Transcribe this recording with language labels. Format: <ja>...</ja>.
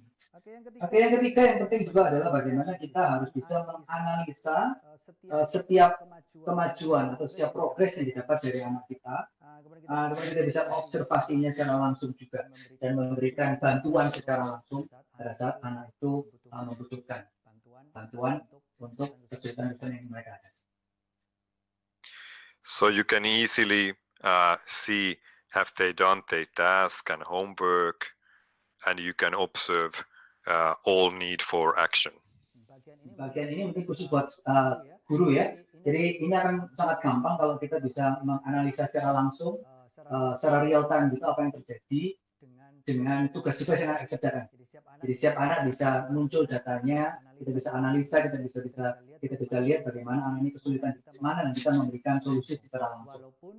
<id>Okay, yang ketiga yang penting juga adalah bagaimana kita harus bisa menganalisa setiap kemajuan atau setiap progres yang didapat dari anak kita. Kemudian kita bisa observasinya secara langsung juga dan memberikan bantuan secara langsung pada saat anak itu membutuhkan bantuan untuk kesulitan-kesulitan yang mereka ada.</id> <en>So you can easily see have they done their task and homework, and you can observe all need for action.</en> <id>Bagian ini mungkin khusus buat guru ya. Jadi ini akan sangat gampang kalau kita bisa menganalisa secara langsung, secara real time gitu apa yang terjadi dengan tugas-tugas yang akan dikerjakan. Jadi setiap anak bisa muncul datanya, kita bisa analisa, kita bisa lihat bagaimana anak ini kesulitan di mana dan kita memberikan solusi secara langsung.</id>